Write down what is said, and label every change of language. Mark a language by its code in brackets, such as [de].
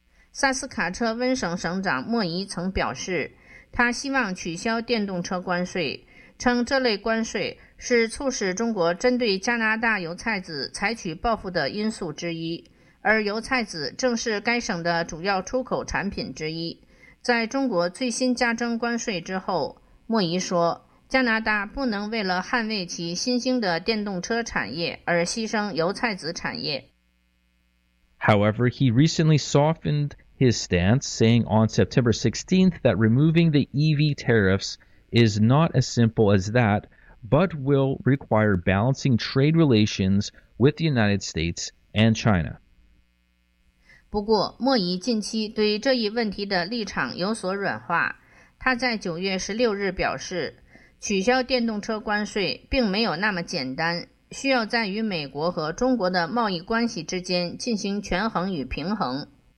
[zh] 萨斯卡彻温省省长莫仪曾表示，他希望取消电动车关税，称这类关税是促使中国针对加拿大油菜籽采取报复的因素之一，而油菜籽正是该省的主要出口产品之一。在中国最新加征关税之后，莫仪说，加拿大不能为了捍卫其新兴的电动车产业而牺牲油菜籽产业。 [en] However, he recently softened his stance, saying on September 16th that removing the EV tariffs is not as simple as that, but will require balancing trade relations with the United States and China. [zh] 不过，莫仪近期对这一问题的立场有所软化。他在9月16日表示，取消电动车关税并没有那么简单，需要在与美国和中国的贸易关系之间进行权衡与平衡。